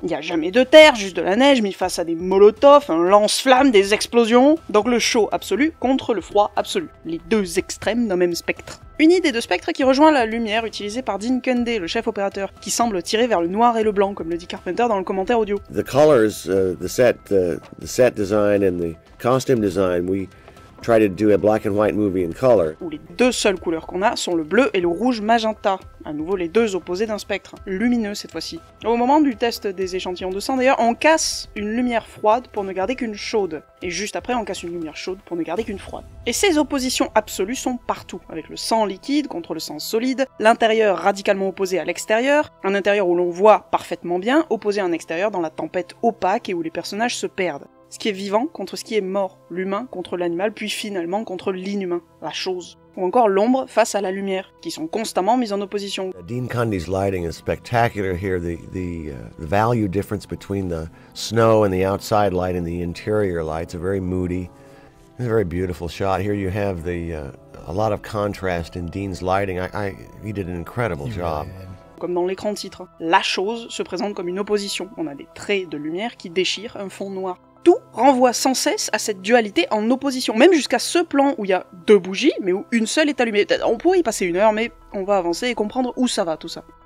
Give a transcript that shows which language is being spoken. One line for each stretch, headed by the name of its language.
French: Il n'y a jamais de terre, juste de la neige, mis face à des molotovs, un lance-flammes, des explosions. Donc le chaud absolu contre le froid absolu. Les deux extrêmes d'un même spectre. Une idée de spectre qui rejoint la lumière utilisée par Dean Cundey, le chef opérateur, qui semble tirer vers le noir et le blanc, comme le dit Carpenter dans le commentaire audio.
English: The colors, the set design and the costume design, we try to do a black and white movie in color.
French: Où les deux seules couleurs qu'on a sont le bleu et le rouge magenta. À nouveau les deux opposés d'un spectre, lumineux cette fois-ci. Au moment du test des échantillons de sang d'ailleurs, on casse une lumière froide pour ne garder qu'une chaude. Et juste après, on casse une lumière chaude pour ne garder qu'une froide. Et ces oppositions absolues sont partout, avec le sang liquide contre le sang solide, l'intérieur radicalement opposé à l'extérieur, un intérieur où l'on voit parfaitement bien, opposé à un extérieur dans la tempête opaque et où les personnages se perdent. Ce qui est vivant contre ce qui est mort, l'humain contre l'animal, puis finalement contre l'inhumain, la chose. Ou encore l'ombre face à la lumière, qui sont constamment mises en opposition.
English: Dean Cundey's lighting is spectacular here. The value difference between the snow and the outside light and the interior light is a very moody, a very beautiful shot. Here you have a lot of contrast in Dean's lighting. He did an incredible job.
French: Comme dans l'écran de titre, la chose se présente comme une opposition. On a des traits de lumière qui déchirent un fond noir. Tout renvoie sans cesse à cette dualité en opposition, même jusqu'à ce plan où il y a deux bougies, mais où une seule est allumée. On pourrait y passer une heure, mais on va avancer et comprendre où ça va, tout ça.